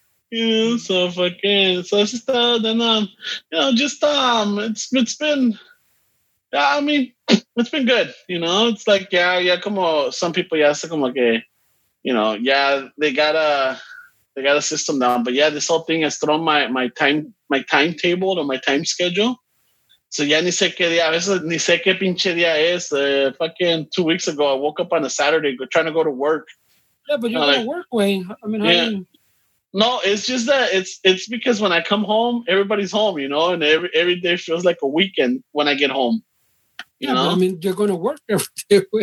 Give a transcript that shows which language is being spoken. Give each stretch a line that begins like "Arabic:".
English: Yeah, you know, so fucking. So it's just, then, you know, just, it's been, yeah, I mean, it's been good, you know. It's like, yeah, como some people, yeah, so como que, you know, yeah, they got a, they got a system down. But yeah, this whole thing has thrown my timetable or my time schedule. So yeah,
Spanish: ni sé qué día, a veces ni sé qué pinche día es.
English: Fucking 2 weeks ago, I woke up on a Saturday trying to go to work. Yeah, but you don't work, Wayne. I mean, how No, it's just that it's because when I come home, everybody's home, you know, and every day feels like a weekend when I get home. You know? But, I mean, you're going to work every day.